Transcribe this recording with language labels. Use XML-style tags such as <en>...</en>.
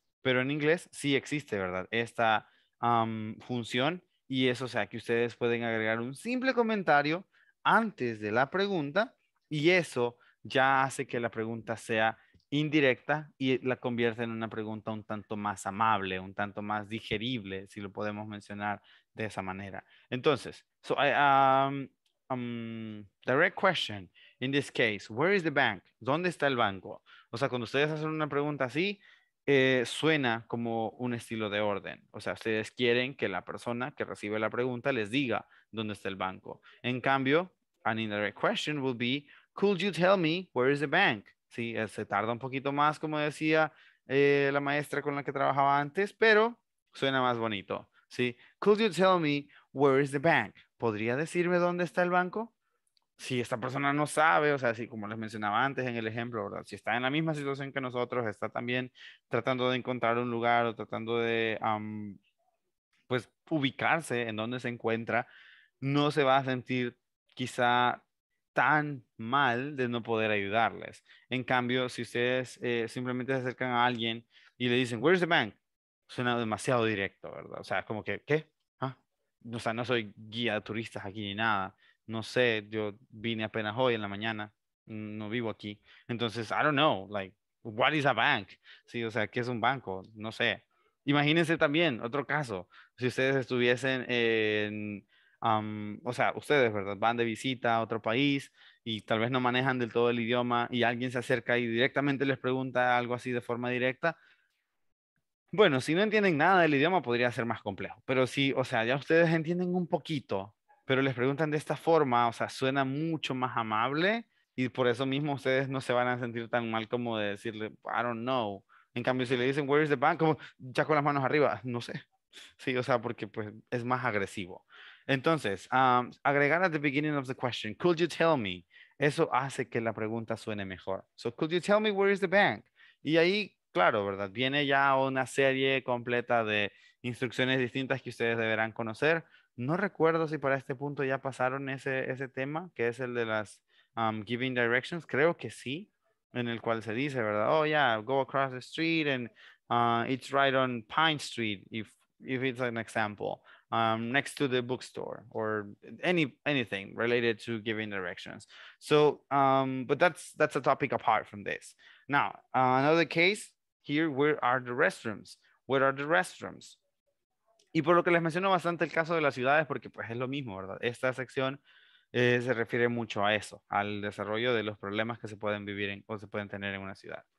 <es>Pero en inglés sí existe, ¿verdad? Esta función y eso, o sea, que ustedes pueden agregar un simple comentario antes de la pregunta y eso ya hace que la pregunta sea indirecta y la convierte en una pregunta un tanto más amable, un tanto más digerible, si lo podemos mencionar de esa manera.</es> <en>Entonces, direct question, in this case, where is the bank?</en> <es>¿Dónde está el banco? O sea, cuando ustedes hacen una pregunta así, suena como un estilo de orden. O sea, ustedes quieren que la persona que recibe la pregunta les diga dónde está el banco. En cambio,</es> <en>an indirect question would be, could you tell me where is the bank?</en> <es>Sí, se tarda un poquito más, como decía la maestra con la que trabajaba antes, pero suena más bonito, ¿sí?</es> <en>Could you tell me where is the bank?</en> <es>¿Podría decirme dónde está el banco? Si esta persona no sabe, o sea, si, como les mencionaba antes en el ejemplo, ¿verdad? Si está en la misma situación que nosotros, está también tratando de encontrar un lugar o tratando de pues, ubicarse en donde se encuentra, no se va a sentir quizá tan mal de no poder ayudarles. En cambio, si ustedes simplemente se acercan a alguien y le dicen,</es> <en>where's the bank?</en> <es>Suena demasiado directo, ¿verdad? O sea, como que, ¿qué? ¿Ah? O sea, no soy guía de turistas aquí ni nada. No sé, yo vine apenas hoy en la mañana. No vivo aquí.</es> <en>Entonces, I don't know, like, what is a bank?</en> <es>Sí, o sea, ¿qué es un banco? No sé. Imagínense también, otro caso, si ustedes estuviesen en... o sea, ustedes, ¿verdad? Van de visita a otro país y tal vez no manejan del todo el idioma y alguien se acerca y directamente les pregunta algo así de forma directa. Bueno, si no entienden nada del idioma podría ser más complejo, pero sí, o sea, ya ustedes entienden un poquito, pero les preguntan de esta forma, o sea, suena mucho más amable y por eso mismo ustedes no se van a sentir tan mal como de decirle,</es> <en>I don't know.</en> <es>En cambio, si le dicen,</es> <en>where is the bank?</en> <es>Como ya con las manos arriba, no sé. Sí, o sea, porque pues es más agresivo. Entonces, agregar</es> <en>at the beginning of the question, could you tell me?</en> <es>Eso hace que la pregunta suene mejor.</es> <en>So, could you tell me where is the bank?</en> <es>Y ahí claro, ¿verdad? Viene ya una serie completa de instrucciones distintas que ustedes deberán conocer. No recuerdo si para este punto ya pasaron ese tema, que es el de las giving directions. Creo que sí, en el cual se dice, ¿verdad?</es> <en>Oh, yeah, go across the street and it's right on Pine Street, if it's an example. Next to the bookstore or anything related to giving directions. So, but that's a topic apart from this. Now, another case here, where are the restrooms? Where are the restrooms?</en> <es>Y por lo que les menciono bastante el caso de las ciudades, porque pues es lo mismo, ¿verdad? Esta sección se refiere mucho a eso, al desarrollo de los problemas que se pueden vivir en, o se pueden tener en una ciudad.</es>